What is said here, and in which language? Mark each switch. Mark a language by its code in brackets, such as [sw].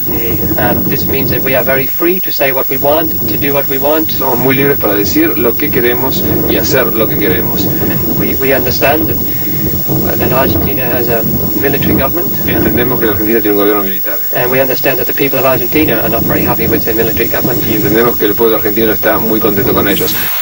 [en] This means that we are very free to say what we want, to do what we want. [es] Somos muy libres para decir lo que queremos y hacer lo que queremos. [en] We understand that Argentina has a military government. [es] Entendemos que la Argentina tiene un gobierno militar. [en] And we understand that the people of Argentina are not very happy with their military government. [es] Y entendemos que el pueblo argentino está muy contento con ellos.